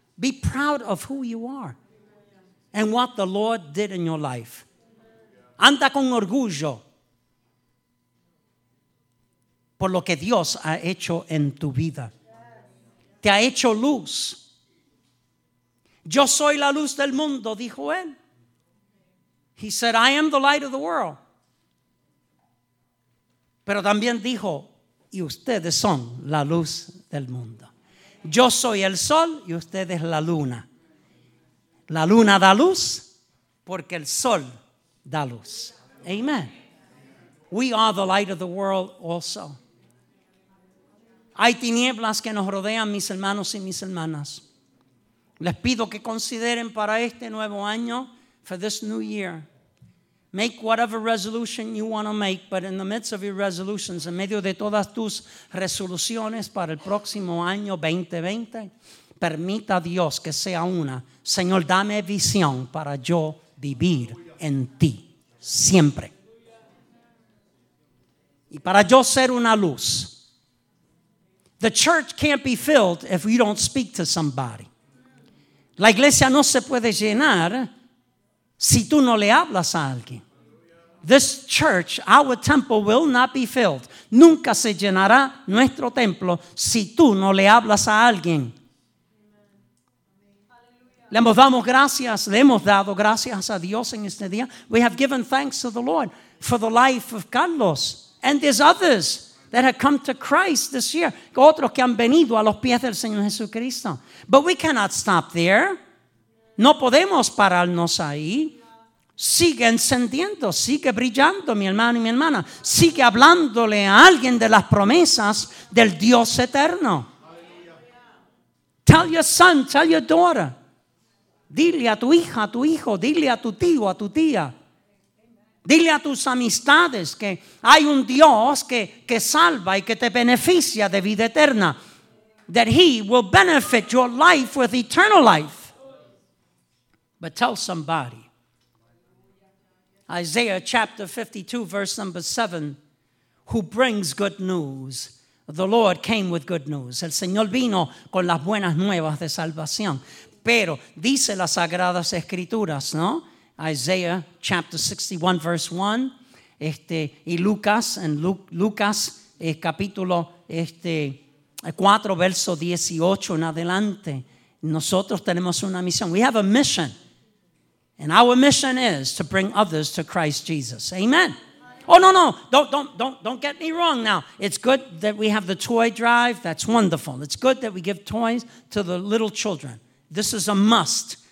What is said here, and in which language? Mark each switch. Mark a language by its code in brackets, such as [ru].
[en] Be proud of who you are and what the Lord did in your life. [es] Anda con orgullo por lo que Dios ha hecho en tu vida. Te ha hecho luz. Yo soy la luz del mundo, dijo él. [en] He said, I am the light of the world. [es] Pero también dijo, y ustedes son la luz del mundo. Yo soy el sol y ustedes la luna. La luna da luz porque el sol da luz. Amen. [en] We are the light of the world also. [es] Hay tinieblas que nos rodean, mis hermanos y mis hermanas. Les pido que consideren para este nuevo año, [en] for this new year. Make whatever resolution you want to make, but in the midst of your resolutions, [es] en medio de todas tus resoluciones para el próximo año 2020, permita a Dios que sea una. Señor, dame visión para yo vivir en ti siempre. Y para yo ser una luz. [en] The church can't be filled if we don't speak to somebody. [es] La iglesia no se puede llenar si tú no le hablas a alguien. [en] This church, our temple, will not be filled. [es] Nunca se llenará nuestro templo si tú no le hablas a alguien. Le hemos dado gracias. Le hemos dado gracias a Dios en este día. [en] We have given thanks to the Lord for the life of Carlos. And there's others that have come to Christ this year. [es] Otros que han venido a los pies del Señor Jesucristo. [en] But we cannot stop there. [es] No podemos pararnos ahí. Sigue encendiendo, sigue brillando, mi hermano y mi hermana. Sigue hablándole a alguien de las promesas del Dios eterno. [en] Tell your son, tell your daughter. [es] Dile a tu hija, a tu hijo, dile a tu tío, a tu tía. Dile a tus amistades que hay un Dios que salva y que te beneficia de vida eterna. [en] That he will benefit your life with eternal life. But tell somebody. Isaiah chapter 52 verse number 7. Who brings good news. The Lord came with good news. [es] El Señor vino con las buenas nuevas de salvación. Pero dice las Sagradas Escrituras, ¿no? [en] Isaiah chapter 61 verse 1. [es] Y Lucas, en Lucas capítulo 4 verso 18 en adelante. Nosotros tenemos una misión. [en] We have a mission. And our mission is to bring others to Christ Jesus. Amen. Oh, no, no. Don't get me wrong now. It's good that we have the toy drive. That's wonderful. It's good that we give toys to the little children. This is a must.